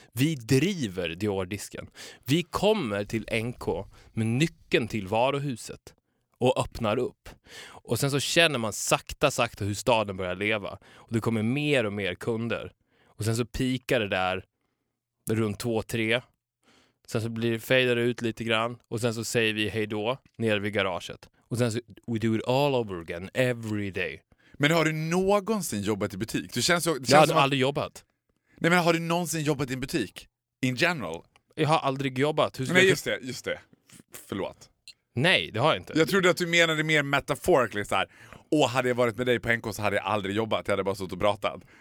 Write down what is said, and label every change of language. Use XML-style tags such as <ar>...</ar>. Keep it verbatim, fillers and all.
<sv>Vi driver Dior-disken. Vi kommer till N K med nyckeln till varuhuset och öppnar upp. Och sen så känner man sakta, sakta hur staden börjar leva. Och det kommer mer och mer kunder. Och sen så pikar det där runt två tre. Sen så blir det fejdare ut lite grann. Och sen så säger vi hej då nere vid garaget. Och sen så</sv> <en>we do it all over again every day.</en> <sv>Men har du någonsin jobbat i butik? Du känns, känns jag har som... aldrig jobbat. Nej, men har du någonsin jobbat i en butik?</sv> <en>In general?</en> <sv>Jag har aldrig jobbat. Hur ska Nej, jag... just det. Just det. F- förlåt. Nej, det har jag inte. Jag trodde att du menade mer metaphorically så här. Åh, hade jag varit med dig på N K så hade jag aldrig jobbat. Jag hade bara suttit och pratat.</sv>